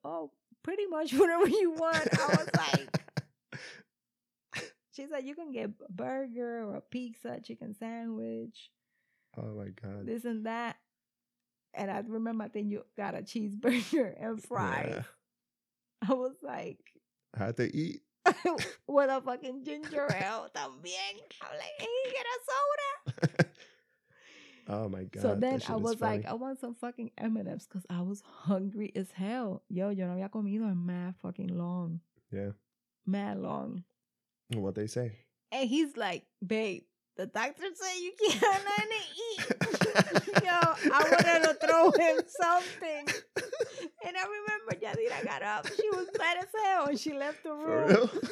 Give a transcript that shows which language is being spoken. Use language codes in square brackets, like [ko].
[en] Oh, pretty much whatever you want. I was like, she's like, you can get a burger or a pizza, chicken sandwich. Oh my God. This and that. And I remember, I think you got a cheeseburger and fries. Yeah. I was like, I had to eat. With a fucking ginger ale, [es] también. [en] I'm like, can he get a soda? Oh my God. So then I was like, I want some fucking M&M's because I was hungry as hell. [es] Yo, yo no había comido en [en] mad fucking long. Yeah. Mad long. What they say? And he's like, babe, the doctor said you can't have nothing to eat. Yo, I wanted to throw him something. And I remember Yadira got up. She was mad as hell when she left the room. For real?